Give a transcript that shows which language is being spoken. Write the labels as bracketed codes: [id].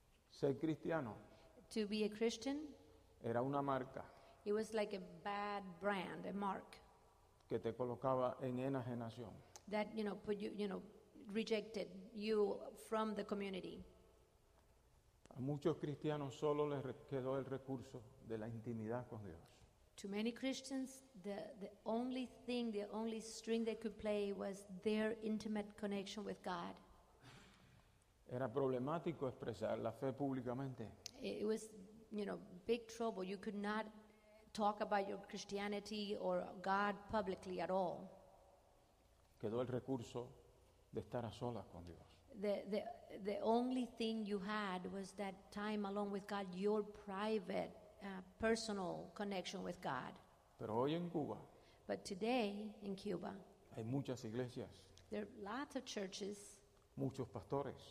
[es] Ser cristiano. [en] To be a Christian. [es] Era una marca. [en] It was like a bad brand, a mark. [es] que te colocaba en enajenación. [en] That, you know, put you, you know, rejected you from the community. [es] A muchos cristianos solo les quedó el recurso de la intimidad con Dios. [en] To many Christians, the only thing, the only string they could play was their intimate connection with God. [es] Era problemático expresar la fe públicamente. [en] It was, you know, big trouble. You could not talk about your Christianity or God publicly at all. [es] Quedó el recurso de estar a solas con Dios. [en] The only thing you had was that time alone with God, your private, personal connection with God. [es] Pero hoy en Cuba, [en] but today in Cuba, [es] hay muchas iglesias, [en] there are lots of churches, [es] muchos pastores,